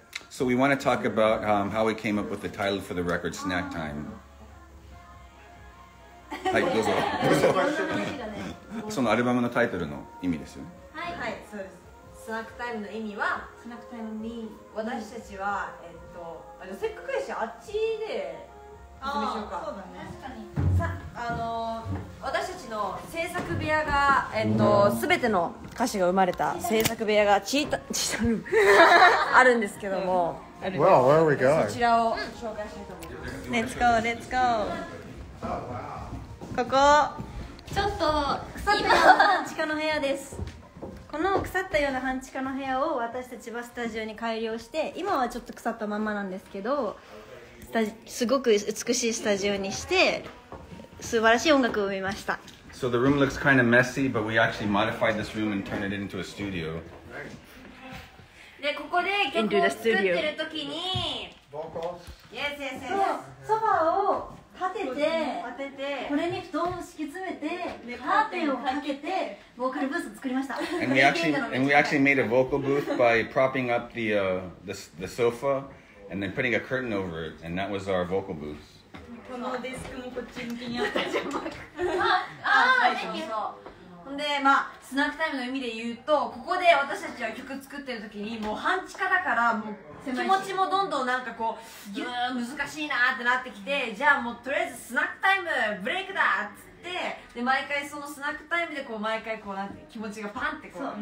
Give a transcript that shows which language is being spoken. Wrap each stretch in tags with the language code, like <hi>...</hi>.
<en>So we want to talk about how we came up with the title for the record, Snack Time.</en> <ja>はい、どうぞ。そのアルバムのタイトルの意味ですよ。はい、はい、そうです。スナックタイムの意味は、スナックタイムに私たちは、じゃあせっかくやしあっちで見てみましょうか。そうだね、確かに。さ、私たちの制作部屋が、全ての歌詞が生まれた制作部屋がチータチータルームあるんですけども、</ja> <en>うん、Well, where are we going?</en> <ja>そちらを紹介したいと思います。</ja> <en>Let's go, let's go. Oh, wow. ここ</en> <ja>ちょっと腐ったような半地下の部屋です。この腐ったような半地下の部屋を私たちはスタジオに改良して、今はちょっと腐ったままなんですけど、すごく美しいスタジオにして素晴らしい音楽を生みました。</ja> <en>So the room looks kind of messy, but we actually modified this room and turned it into a studio.</en> <ja>でここで曲を作ってる時に</ja> <en>Yes, yes, yes.</en> <ja>そう、ソファーを立てて、立ててこれに布団を敷き詰めて、カーテンをかけて、ボーカルブースを作りました。</ja> <en>And we actually, and we actually made a vocal booth by propping up the, the sofa and then putting a curtain over it, and that was our vocal booth.</en> <ja>このデスクもこっち向きにあったじゃん。ああ、ほんで、まあ、スナックタイムの意味で言うと、ここで私たちは曲作ってる時に、もう半地下だから、もう気持ちもどんどんなんかこう、ぎゅー難しいなーってなってきて、じゃあもうとりあえずスナックタイムブレイクだっつって、で毎回そのスナックタイムでこう毎回こうなんて気持ちがパンってこう、</ja>